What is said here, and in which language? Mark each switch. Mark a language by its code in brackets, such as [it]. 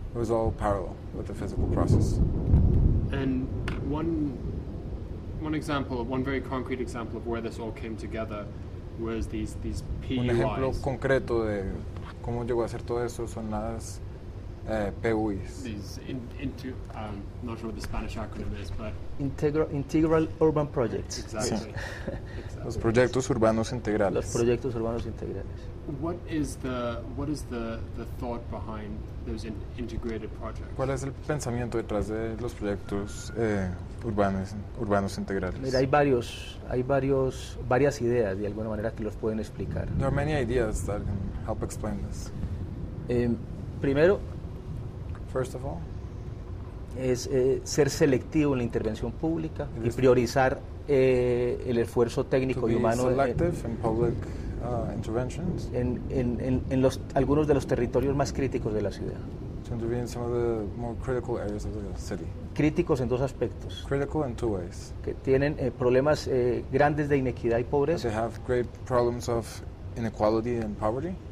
[en] It was all parallel with the physical process. And one example, one very concrete example of where this all came together was these PUIs. [es] Un ejemplo concreto de cómo llegó a ser todo eso son las PUIs. [en] Not sure what the Spanish acronym is, but Integral Urban Projects. Exactly. Sí. Exactly. [es] Los proyectos urbanos integrales. Los proyectos urbanos integrales. [en] What is the thought behind those integrated projects? [es] ¿Cuál es el pensamiento detrás de los proyectos urbanos integrales? Mira, hay varias ideas de alguna manera que los pueden explicar. [en] There are many ideas that can help explain this. [es] Primero. [en] First of all. [es] Es ser selectivo en la intervención pública y priorizar el esfuerzo técnico y humano. [en] Interventions [es] en los algunos de los territorios más críticos de la ciudad. [en] to intervene in some of the more critical areas of the city. [es] Críticos en dos aspectos. [en] Critical in two ways. [es] Que tienen problemas grandes de inequidad y pobreza. [en] They have great problems of inequality and poverty.